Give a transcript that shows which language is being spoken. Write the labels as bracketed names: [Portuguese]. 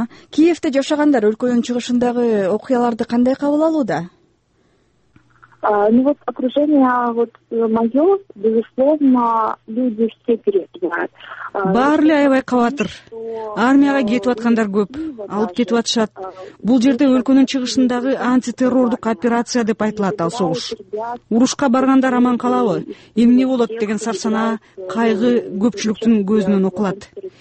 [Kyrgyz] Киевде жашагандар өлкөнүн чыгышындагы окуяларды кандай кабыл алууда? [Russian] Ну вот окружение вот моё, безусловно, люди все переживают. [Kyrgyz] Баары эле аябай кабатыр. Армияга кетип аткандар көп, алып кетип атышат. Бул жерде өлкөнүн чыгышындагы антитеррордук операция деп айтылат ал согуш. Урушка баргандар аман калабы, эмне болот деген сарсана, кайгы көпчүлүктүн көзүнөн окулат.